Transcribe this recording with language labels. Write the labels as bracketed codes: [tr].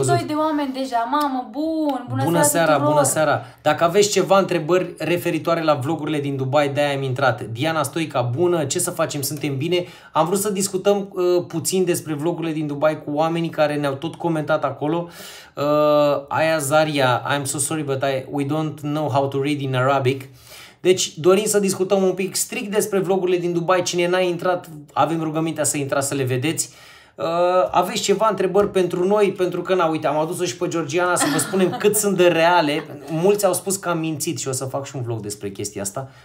[ro] 82 de oameni deja, mamă, bună seara. Dacă aveți ceva întrebări referitoare la vlogurile din Dubai, de-aia am intrat. Diana Stoica, bună, ce să facem, suntem bine. Am vrut să discutăm puțin despre vlogurile din Dubai cu oamenii care ne-au tot comentat acolo. [en] Aia Zaria, I'm so sorry, but we don't know how to read in Arabic. [ro] Deci dorim să discutăm un pic strict despre vlogurile din Dubai. Cine n-a intrat, avem rugămintea să intrați să le vedeți. Aveți ceva întrebări pentru noi? Pentru că, am adus-o și pe Georgiana să vă spunem cât sunt de reale. Mulți au spus că am mințit și o să fac și un vlog despre chestia asta.